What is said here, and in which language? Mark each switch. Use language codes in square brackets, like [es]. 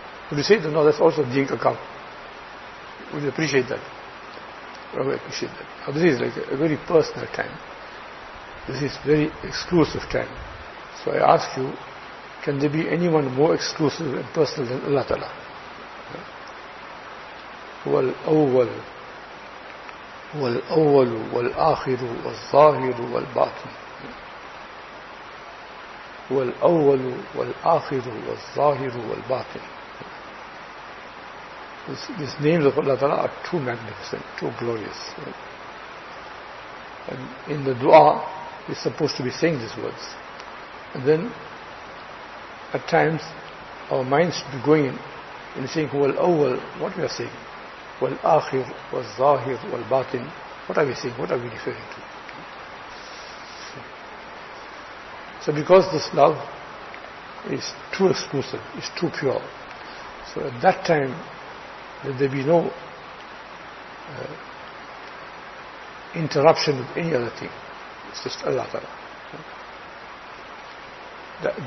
[en] Would you say that? No, that's also Deen Ka Kaam. Would you appreciate that? Probably appreciate that. Now, this is like a very personal time. This is very exclusive time. So I ask you, can there be anyone more exclusive and personal than Allah Ta'ala? Well, oh well. [ar] والأول والآخر والظاهر والباطن والأول والآخر والظاهر والباطن. [en] These names of Allah Ta'ala are too magnificent, too glorious. And in the dua, we're supposed to be saying these words. And then, at times, our minds should be going in saying, [ar] والأول, [en] what we are saying. [ar] والآخر والظاهر والباطن. [en] What are we saying? What are we referring to? So because this love is too exclusive, is too pure, so at that time that there be no interruption with any other thing. It's just Allah Ta'ala.